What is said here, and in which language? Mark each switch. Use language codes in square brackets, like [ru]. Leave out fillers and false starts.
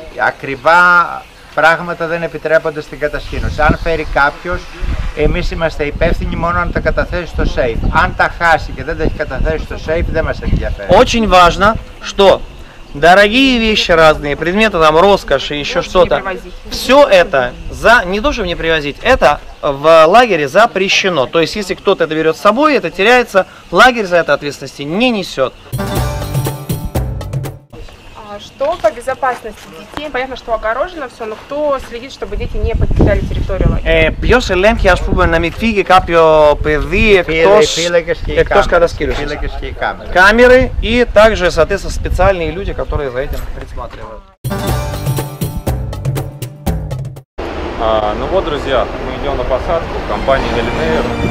[el] Ακριβά πράγματα δεν επιτρέπονται στην κατασκήνωση. Αν φέρει κάποιος, εμείς είμαστε υπεύθυνοι μόνο αν τα καταθέσει στο safe. Αν τα χάσει και δεν τα έχει καταθέσει στο safe, δεν μας ενδιαφέρει. [ru] Очень важно, что дорогие вещи разные, предметы там роскоши, еще что-то. Все это за не должен мне привозить. Это в лагере запрещено. То есть если кто-то это берет с собой, это теряется. Лагерь за это ответственности не несет. Что по безопасности детей? Понятно, что огорожено все, но кто следит, чтобы дети не покидали территорию лагеря? [el] Ποιος ελέγχει, ας πούμε, να μην φύγει κάποιο παιδί εκτός κατασκήνωσης? Φύλακες και οι κάμερες. Κάμερες και [ru] также, соответственно, специальные люди, которые за этим присматривают. Ну вот, друзья, мы идем на посадку в компании Эльмейр.